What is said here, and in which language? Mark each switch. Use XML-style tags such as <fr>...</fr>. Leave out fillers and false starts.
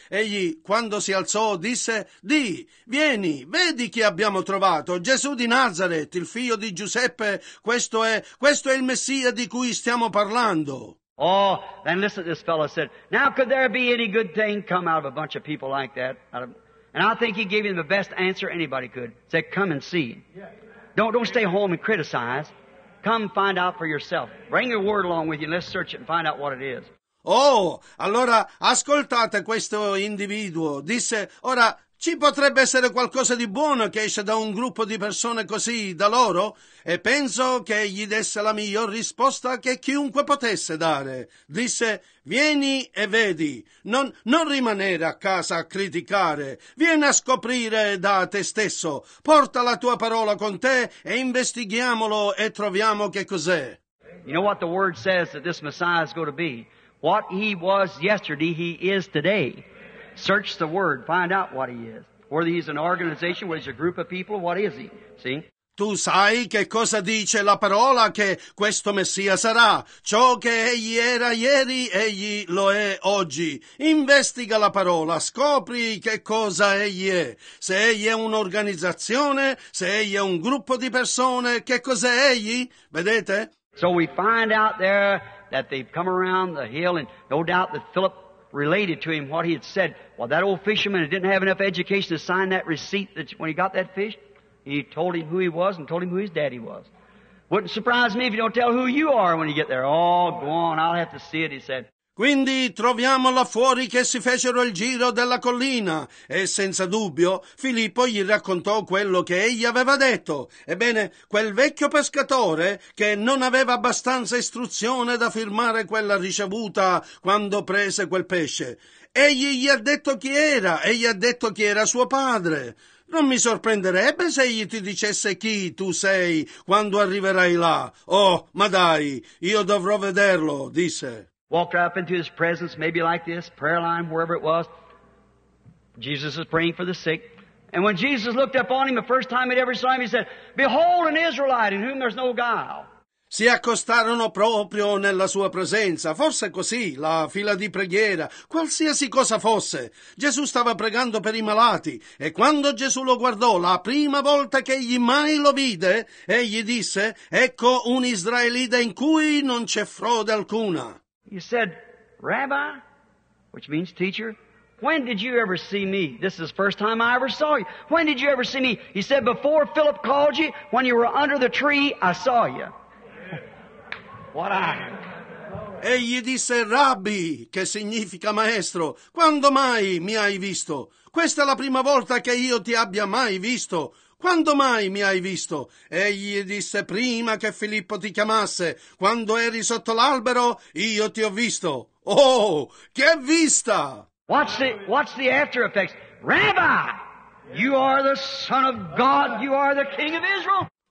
<it>Egli, quando si alzò, disse, "Di, vieni, vedi chi abbiamo trovato, Gesù di Nazareth, il figlio di Giuseppe, questo è il Messia di cui stiamo parlando."</it> <en>Oh, then listen to this fellow said, "Now could there be any good thing come out of a bunch of people like that?" And I think he gave him the best answer anybody could. He said, "Come and see. Don't stay home and criticize. Come find out for yourself. Bring your word along with you and let's search it and find out what it is."</en> <it>Oh, allora ascoltate questo individuo. Disse, ora, ci potrebbe essere qualcosa di buono che esce da un gruppo di persone così, da loro? E penso che gli desse la miglior risposta che chiunque potesse dare. Disse, vieni e vedi, non rimanere a casa a criticare, vieni a scoprire da te stesso, porta la tua parola con te e investighiamolo e troviamo che cos'è.</it> <en>You know what the word says that this Messiah is going to be? What he was yesterday, he is today. Search the word, find out what he is. Whether he's an organization, whether he's a group of people, what is he? See?</en> <it>Tu sai che cosa dice la parola che questo Messia sarà. Ciò che egli era ieri, egli lo è oggi. Investiga la parola, scopri che cosa egli è. Se egli è un'organizzazione, se egli è un gruppo di persone, che cos'è egli? Vedete?</it> <en>So we find out there that they've come around the hill and no doubt that Philip related to him what he had said. Well, that old fisherman didn't have enough education to sign that receipt that when he got that fish, he told him who he was and told him who his daddy was. Wouldn't surprise me if you don't tell who you are when you get there. Oh, go on, I'll have to see it, he said.</en> <it>Quindi troviamo là fuori che si fecero il giro della collina e senza dubbio Filippo gli raccontò quello che egli aveva detto. Ebbene, quel vecchio pescatore che non aveva abbastanza istruzione da firmare quella ricevuta quando prese quel pesce. Egli gli ha detto chi era e gli ha detto chi era suo padre. Non mi sorprenderebbe se egli ti dicesse chi tu sei quando arriverai là. Oh, ma dai, io dovrò vederlo, disse.</it> <en>Walked right up into his presence, maybe like this, prayer line, wherever it was. Jesus is praying for the sick. And when Jesus looked up on him the first time he'd ever saw him, he said, "Behold an Israelite in whom there's no guile."</en> <it>Si accostarono proprio nella sua presenza, fosse così, la fila di preghiera, qualsiasi cosa fosse. Gesù stava pregando per i malati, e quando Gesù lo guardò, la prima volta che egli mai lo vide, egli disse, ecco un israelita in cui non c'è frode alcuna.</it> <en>He said, "Rabbi," which means teacher, "when did you ever see me? This is the first time I ever saw you. When did you ever see me?" He said, "Before Philip called you, when you were under the tree, I saw you." What I am.</en> <it>Egli disse, "Rabbi," che significa maestro, "quando mai mi hai visto? Questa è la prima volta che io ti abbia mai visto. Quando mai mi hai visto?" Egli disse, "prima che Filippo ti chiamasse, quando eri sotto l'albero, io ti ho visto." Oh, che vista!</it> <en>Watch the after effects. "Rabbi, you are the Son of God, you are the King of Israel."</en>